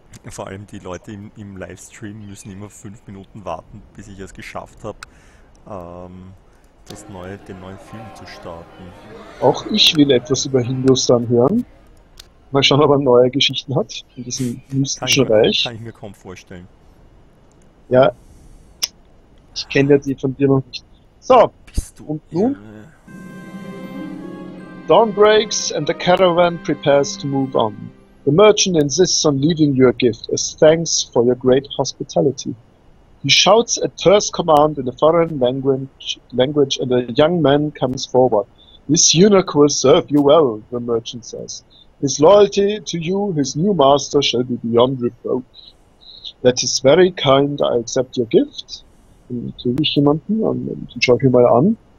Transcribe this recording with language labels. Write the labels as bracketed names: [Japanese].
[German] Vor allem die Leute im Livestream müssen immer 5 Minuten warten, bis ich es geschafft habe, den neuen Film zu starten. Auch ich will etwas über Hindustan hören. Mal schauen, ob er neue Geschichten hat in diesem mystischen Reich. Kann ich mir kaum vorstellen. Ja, ich kenne ja die von dir noch nicht. So, bist du und nun? Irre? [English] Dawn breaks and the caravan prepares to move on. The merchant insists on leaving your gift as thanks for your great hospitality. He shouts a terse command in a foreign language and a young man comes forward. This eunuch will serve you well, the merchant says. His loyalty to you, his new master, shall be beyond reproach. That is very kind, I accept your gift. [German] Natürlich jemanden, und schau ich mir mal an.